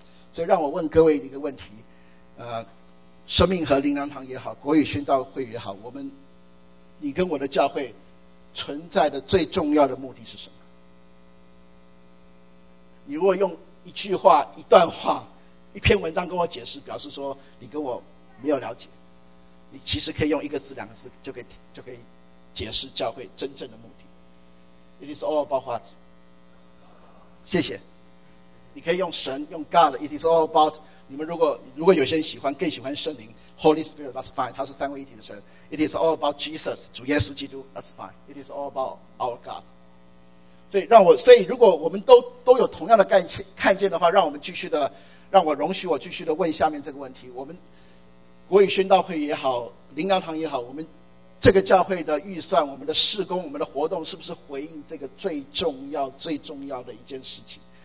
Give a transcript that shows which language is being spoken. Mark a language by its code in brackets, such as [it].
[zh] 所以让我问各位一个问题，生命和灵粮堂也好，国语宣道会也好，我们你跟我的教会存在的最重要的目的是什么？你如果用一句话、一段话、一篇文章跟我解释，表示说你跟我没有了解。你其实可以用一个字、两个字就可以解释教会真正的目的。 [en] It is all about what？ [zh] 谢谢。你可以用神、用 God。 [en] It is all about [zh] 你们如果有些人更喜欢圣灵 [en] ，Holy Spirit， that's fine。 [zh] 他是三位一体的神。 [en] It is all about Jesus， 主耶稣基督 ，that's fine。 It is all about our God。 [zh] 所以如果我们都有同样的看见的话，让我容许我继续的问下面这个问题。我们国语宣道会也好，灵粮堂也好，我们这个教会的预算、我们的事工、我们的活动，是不是回应这个最重要最重要的一件事情？